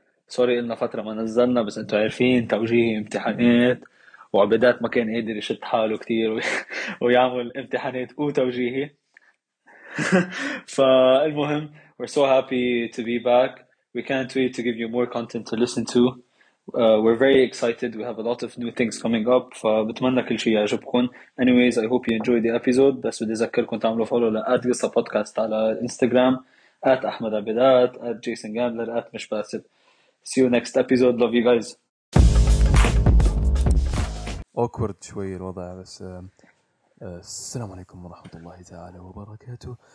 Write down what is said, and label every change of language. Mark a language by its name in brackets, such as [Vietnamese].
[Arabic] سوري إلنا فترة ما نزلنا، بس انتو عارفين توجيهي امتحانات وعبيدات ما كان قادر يشد حاله كتير ويعمل امتحانات وتوجيهي. [English] فالمهم we're so happy to be back. We can't wait to give you more content to listen to. We're very excited. We have a lot of new things coming up. [Arabic] فبتمنى كل شيء يعجبكم. [English] Anyways, I hope you enjoy the episode. [Arabic] بس بدي أذكركم تعملوا follow لأد قصة بودكاست على الانستغرام at أحمد عبيدات at Jason Gambler at مش باسل. [English] See you next episode. Love you guys. [Arabic] Awkward شوي الوضع بس السلام عليكم ورحمة الله تعالى وبركاته.